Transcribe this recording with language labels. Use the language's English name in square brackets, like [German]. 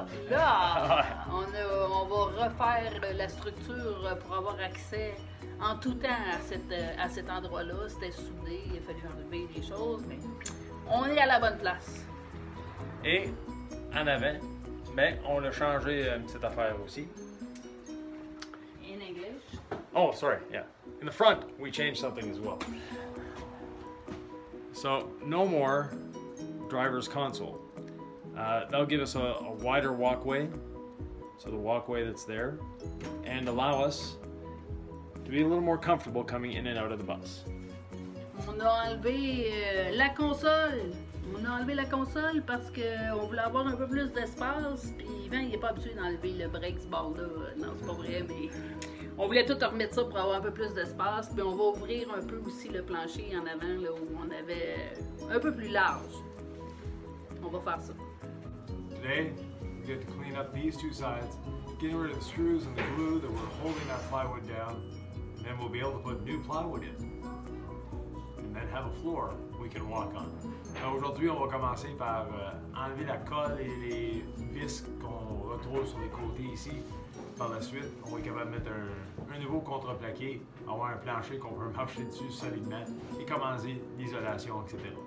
[French] là, on va refaire la structure pour avoir accès en tout temps à cet endroit-là. C'était soudé, il a fallu enlever des choses, mais on est à la bonne place. Et en avant, ben, on a changé cette affaire aussi. [English] In English. Oh, sorry, yeah. In the front, we changed something as well. So, no more driver's console. That'll give us a wider walkway. So the walkway that's there. And allow us to be a little more comfortable coming in and out of the bus. [French] On a enlevé la console. On a enlevé la console parce qu'on voulait avoir un peu plus d'espace. Puis Yvan, il est pas habitué d'enlever le break ce bord-là. Non, c'est pas vrai, mais on voulait tout remettre ça pour avoir un peu plus d'espace. Puis on va ouvrir un peu aussi le plancher en avant, là, où on avait un peu plus large. On va faire ça. [English] Today, we get to clean up these two sides, getting rid of the screws and the glue that were holding that plywood down. And then we'll be able to put new plywood in. And then have a floor we can walk on. [French] Aujourd'hui, on va commencer par enlever la colle et les vis qu'on retrouve sur les côtés ici. Par la suite, on va être capable de mettre un nouveau contreplaqué, avoir un plancher qu'on peut marcher dessus solidement et commencer l'isolation, etc.